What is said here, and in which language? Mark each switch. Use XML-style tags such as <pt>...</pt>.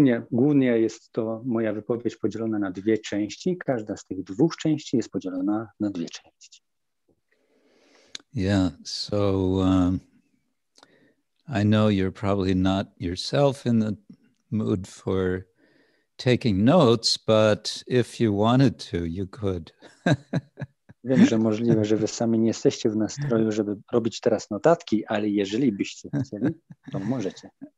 <pl>Głównie jest to moja wypowiedź podzielona na dwie części. Każda z tych dwóch części jest podzielona na dwie części.</pl> <en>Yeah, so I know you're probably not yourself in the mood for taking notes, but if you wanted to, you could.</en> <pl>Wiem, że możliwe, że wy sami nie jesteście w nastroju, żeby robić teraz notatki, ale jeżeli byście chcieli, to możecie.</pl>